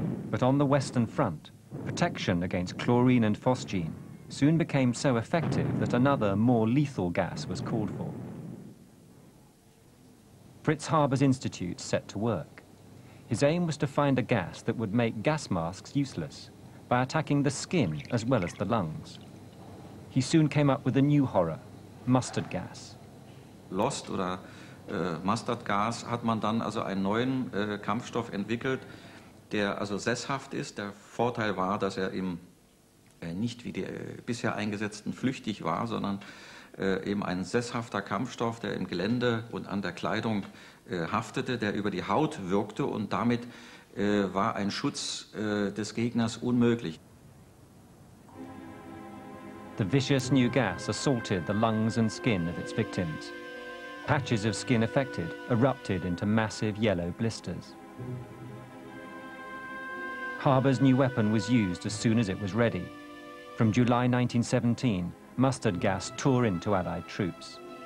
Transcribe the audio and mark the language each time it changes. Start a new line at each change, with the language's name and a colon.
English: But on the Western Front, protection against chlorine and phosgene soon became so effective that another, more lethal gas was called for. Fritz Haber's institute set to work. His aim was to find a gas that would make gas masks useless by attacking the skin as well as the lungs. He soon came up with a new horror, mustard gas.
German: Lost
English: or mustard gas,
German: hat man dann also einen neuen Kampfstoff entwickelt, der also sesshaft ist. Der Vorteil war, dass er eben nicht wie die bisher eingesetzten flüchtig war, sondern eben ein sesshafter Kampfstoff, der im Gelände und an der Kleidung haftete, der über die Haut wirkte und damit war ein Schutz des Gegners unmöglich.
English: The vicious new gas assaulted the lungs and skin of its victims. Patches of skin affected erupted into massive yellow blisters. Harbour's new weapon was used as soon as it was ready. From July 1917, mustard gas tore into Allied troops.